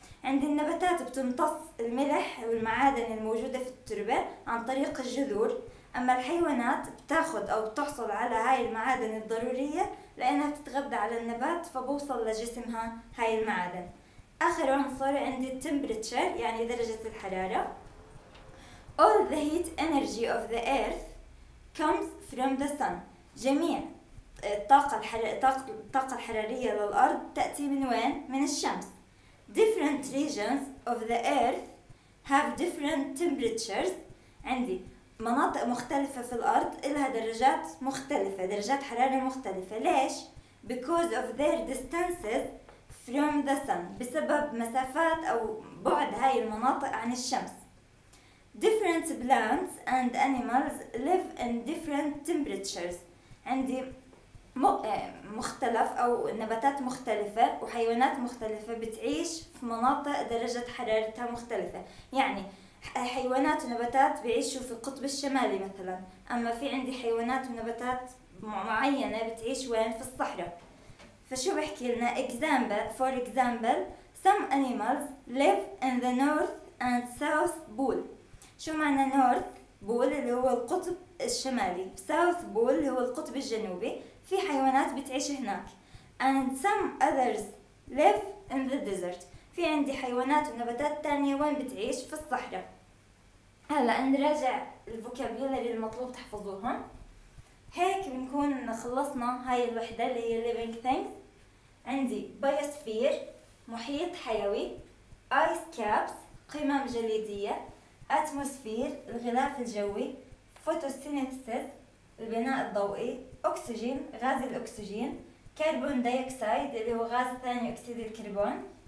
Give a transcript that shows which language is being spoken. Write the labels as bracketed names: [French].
[Arabic] عند النباتات بتمتص الملح والمعادن الموجودة في التربة عن طريق الجذور، أما الحيوانات بتاخد أو بتحصل على هاي المعادن الضرورية لأنها بتتغذى على النبات فبوصل لجسمها هاي المعادن. آخر عنصر عندي temperature يعني درجة الحرارة. [English] All the heat energy of the earth comes from the sun. [Arabic] جميع الطاقة الحرارية للأرض تأتي من وين؟ من الشمس. [English] Different regions of the earth have different temperatures. [Arabic] عندي مناطق مختلفة في الأرض إلها درجات مختلفة، درجات حرارة مختلفة. ليش؟ [English] Because of their distances from the sun. [Arabic] بسبب مسافات أو بعد هاي المناطق عن الشمس. [English] Different plants and animals live in different temperatures. [Arabic] عندي مختلف أو نباتات مختلفة وحيوانات مختلفة بتعيش في مناطق درجة حرارتها مختلفة. يعني حيوانات ونباتات بيعيشوا في القطب الشمالي مثلا، أما في عندي حيوانات ونباتات معينة بتعيش وين؟ في الصحراء. فشو بحكي لنا؟ [English] For example some animals live in the north and south pole. [Arabic] شو معنى north pole؟ اللي هو القطب الشمالي. south pole اللي هو القطب الجنوبي. في حيوانات بتعيش هناك. [English] and some others live in the desert. [Arabic] في عندي حيوانات ونباتات تانية وين بتعيش؟ في الصحراء. هلا نراجع الفوكابيولري المطلوب تحفظوهم. هيك بنكون خلصنا هاي الوحدة اللي هي [English] living things. [Arabic] عندي biosphere محيط حيوي، ice caps قمم جليدية، atmosphere الغلاف الجوي، photosynthesis البناء الضوئي، أكسجين غاز الأكسجين، كربون دايوكسيد اللي هو غاز ثاني أكسيد الكربون،